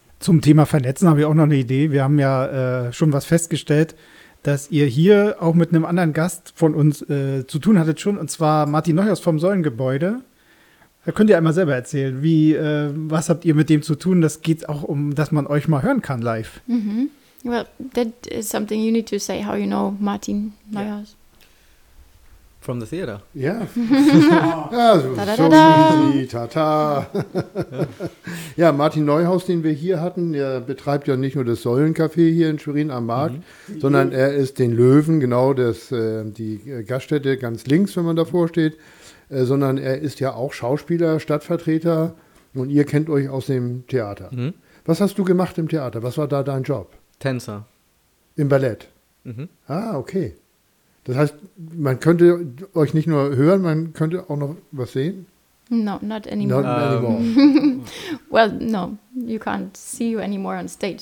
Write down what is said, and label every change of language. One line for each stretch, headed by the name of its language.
German: Zum Thema Vernetzen habe ich auch noch eine Idee. Wir haben ja schon was festgestellt, dass ihr hier auch mit einem anderen Gast von uns zu tun hattet schon, und zwar Martin Neuhaus vom Säulengebäude. Da könnt ihr einmal selber erzählen, wie was habt ihr mit dem zu tun? Das geht auch um, dass man euch mal hören kann live. Mm-hmm.
English: Well, that is something you need to say, how you know Martin Neuhaus. Yeah. From the theater. Yeah. Ja, so easy, ta-ta.
German: Ja, Martin Neuhaus, den wir hier hatten, der betreibt ja nicht nur das Säulencafé hier in Schwerin am Markt, sondern er ist den Löwen, genau das, die Gaststätte ganz links, wenn man davor steht. Sondern er ist ja auch Schauspieler, Stadtvertreter und ihr kennt euch aus dem Theater. Mhm. Was hast du gemacht im Theater? Was war da dein Job? Tänzer. Im Ballett? Mhm. Ah, okay. Das heißt, man könnte euch nicht nur hören, man könnte auch noch was sehen?
English: No, not anymore. Not anymore. Well, no, you can't see you anymore on stage.